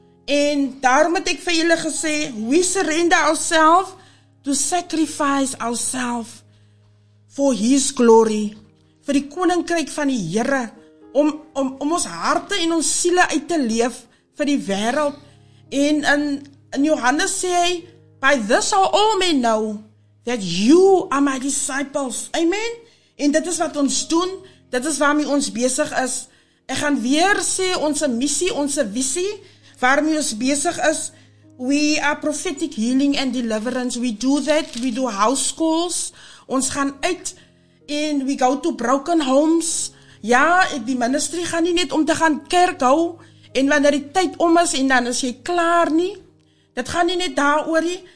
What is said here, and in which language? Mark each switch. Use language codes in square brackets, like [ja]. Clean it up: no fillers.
[af] En daarom het ek vir julle gesê, [en] we surrender ourselves to sacrifice ourselves for His glory, [af] vir die koninkryk van die Here, om ons harte en ons siele uit te leef vir die wêreld. En in Johannes sê hy, [en] by this shall all men know that you are my disciples. [af] Amen. En dit is wat ons doen, dit is waarmee ons besig is. Ek gaan weer sê, ons missie, ons visie, waarmee ons besig is, [en] we are prophetic healing and deliverance. We do that, we do house calls. [af] Ons gaan uit en [en] we go to broken homes. [af] Ja, die ministry gaan nie net om te gaan kerk hou en wanneer die tyd om is en dan is jy klaar nie. Dit gaan nie net daaroor nie.